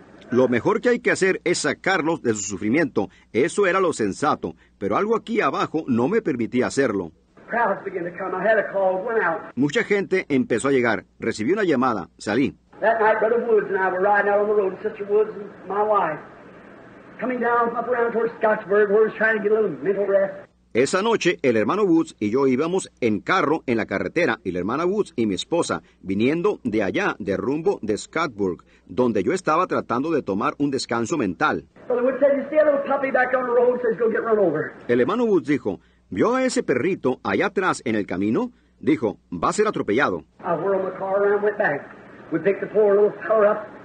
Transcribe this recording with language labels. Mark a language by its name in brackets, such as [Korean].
[Spanish] Lo mejor que hay que hacer es sacarlos de su sufrimiento. Eso era lo sensato. Pero algo aquí abajo no me permitía hacerlo. [English] Crowds began to come. I had a call, went out. [Spanish] Mucha gente empezó a llegar. Recibí una llamada. Salí. [English] That night, Brother Woods and I were riding out on the road, Sister Woods and my wife. Coming down, up around towards Scottsburg, where we're trying to get a little mental rest. [Spanish] Esa noche, el hermano Woods y yo íbamos en carro en la carretera, y la hermana Woods y mi esposa, viniendo de allá, de rumbo de Scottsburg, donde yo estaba tratando de tomar un descanso mental. [English] Brother Woods said, you see a little puppy back on the road, says, go get run over. [Spanish] El hermano Woods dijo, ¿vio a ese perrito allá atrás en el camino? Dijo, va a ser atropellado. [English] I whirled my car around, went back. We picked the poor little fellow up.